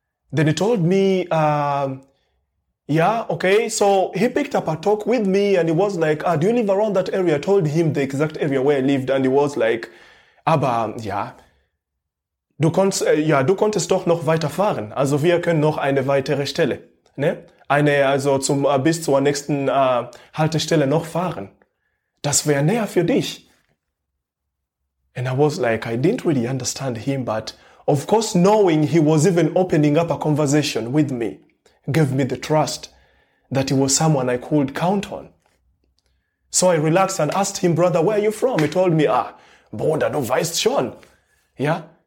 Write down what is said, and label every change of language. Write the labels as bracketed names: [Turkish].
[English] Then he told me, So he picked up a talk with me and he was like, "Do you live around that area?" I told him the exact area where I lived and he was like, [German] "Aber, ja, du konntest doch noch weiterfahren. Also wir können noch eine weitere Stelle, ne? Eine, also zum, bis zur nächsten Haltestelle noch fahren. Das wäre näher für dich." [English] And I was like, I didn't really understand him, but of course, knowing he was even opening up a conversation with me, gave me the trust that he was someone I could count on. So I relaxed and asked him, "Brother, where are you from?" He told me, [German] "Ah, Bruder, du weißt schon. Ja?